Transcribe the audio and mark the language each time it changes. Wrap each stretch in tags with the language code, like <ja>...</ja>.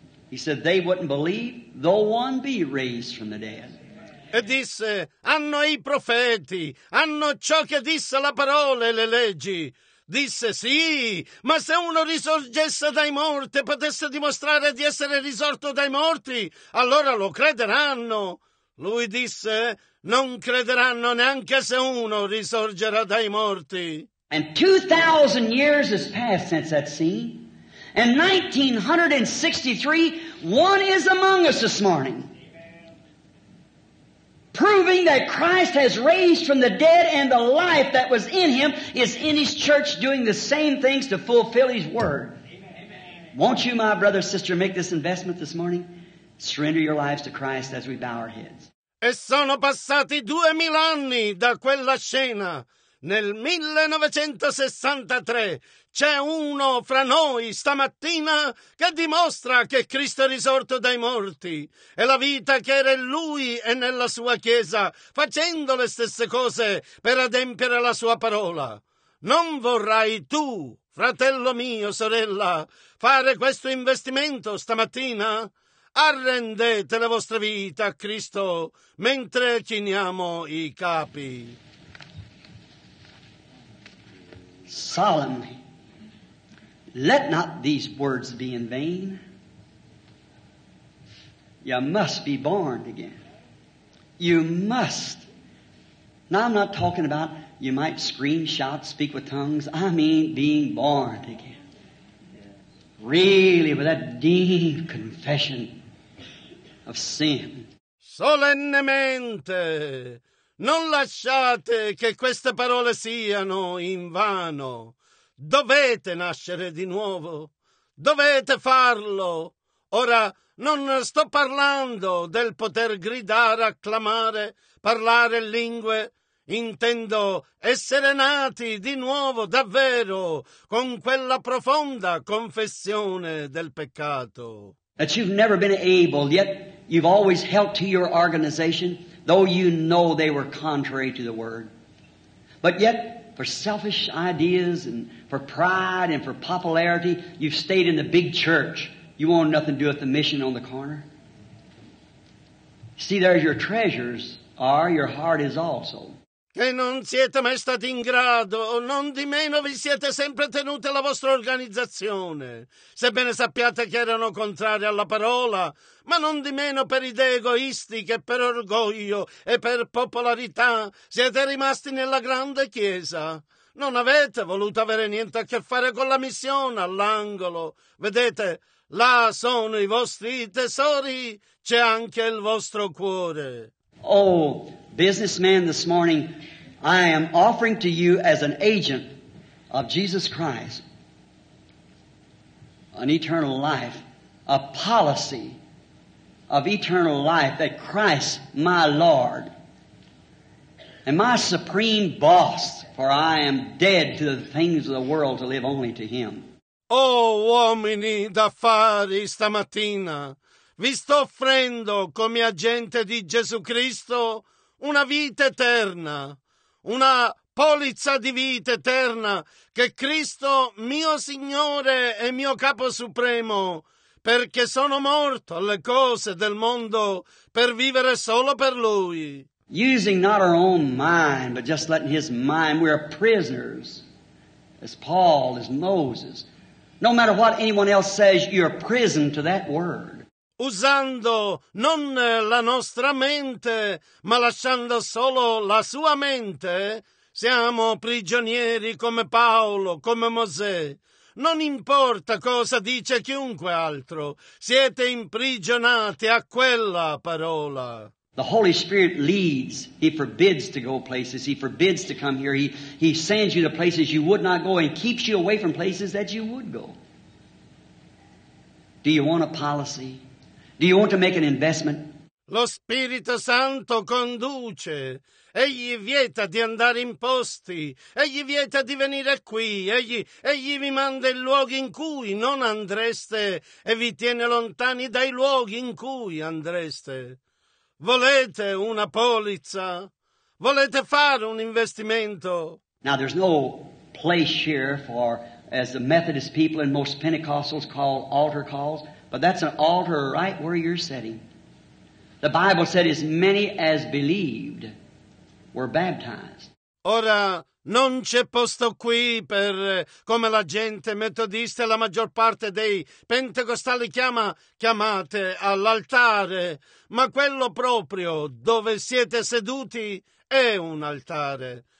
<en>He said, they wouldn't believe though one be raised from the dead.</en> <it>E disse, hanno i profeti, hanno ciò che disse la parola e le leggi. Disse, sì, ma se uno risorgesse dai morti e potesse dimostrare di essere risorto dai morti, allora lo crederanno. Lui disse, non crederanno neanche se uno risorgerà dai morti.</it> <en>And 2,000 years has passed since that scene. And 1963, one is among us this morning. Proving that Christ has raised from the dead and the life that was in him is in his church doing the same things to fulfill his word. Won't you, my brother, sister, make this investment this morning? Surrender your lives to Christ as we bow our heads.</en> <it>E sono passati 2,000 anni da quella scena. Nel 1963 c'è uno fra noi stamattina che dimostra che Cristo è risorto dai morti e la vita che era in lui e nella sua chiesa, facendo le stesse cose per adempiere la sua parola. Non vorrai tu, fratello mio, sorella, fare questo investimento stamattina? Arrendete le vostre vite a Cristo mentre chiniamo i capi.</it> <en>Solemnly, let not these words be in vain. You must be born again. You must. Now, I'm not talking about you might scream, shout, speak with tongues. I mean being born again. Really, with that deep confession of sin.</en> <it>Solennemente. Non lasciate che queste parole siano in vano. Dovete nascere di nuovo. Dovete farlo. Ora, non sto parlando del poter gridare, acclamare, parlare lingue. Intendo essere nati di nuovo, davvero, con quella profonda confessione del peccato.</it> <en>That you've never been able, yet you've always held to your organization. Though you know they were contrary to the word. But yet, for selfish ideas and for pride and for popularity, you've stayed in the big church. You want nothing to do with the mission on the corner. See, there's your treasures are, your heart is also.</en> <it>Che non siete mai stati in grado, o non di meno vi siete sempre tenuti alla vostra organizzazione, sebbene sappiate che erano contrari alla parola, ma non di meno per idee egoistiche, per orgoglio e per popolarità siete rimasti nella grande chiesa. Non avete voluto avere niente a che fare con la missione all'angolo. Vedete, là sono i vostri tesori, c'è anche il vostro cuore.</it> <en>Oh, businessman, this morning, I am offering to you as an agent of Jesus Christ an eternal life, a policy of eternal life that Christ, my Lord, and my supreme boss, for I am dead to the things of the world to live only to Him.</en> <it>Oh, uomini d'affari, stamattina, vi sto offrendo come agente di Gesù Cristo una vita eterna, una polizza di vita eterna che Cristo, mio Signore e mio Capo Supremo, perché sono morto alle cose del mondo per vivere solo per Lui.</it> <en>Using not our own mind, but just letting His mind, we are prisoners, as Paul, as Moses. No matter what anyone else says, you're prison to that word.</en> <it>Usando non la nostra mente, ma lasciando solo la sua mente, siamo prigionieri come Paolo, come Mosè. Non importa cosa dice chiunque altro, siete imprigionati a quella parola.</it> <en>The Holy Spirit leads. He forbids to go places. He forbids to come here. He sends you to places you would not go and keeps you away from places that you would go. Do you want a policy? Do you want to make an investment?</en> <it>Lo Spirito Santo conduce. Egli vieta di andare in posti. Egli vieta di venire qui. Egli vi manda in luoghi in cui non andreste e vi tiene lontani dai luoghi in cui andreste. Volete una polizza? Volete fare un investimento?</it> <en>Now there's no place here for, as the Methodist people and most Pentecostals call, altar calls. But that's an altar right where you're sitting. The Bible said as many as believed were baptized.</en> <it>Ora, non c'è posto qui per, come la gente metodista e la maggior parte dei pentecostali chiamate all'altare, ma quello proprio dove siete seduti è un altare.</it>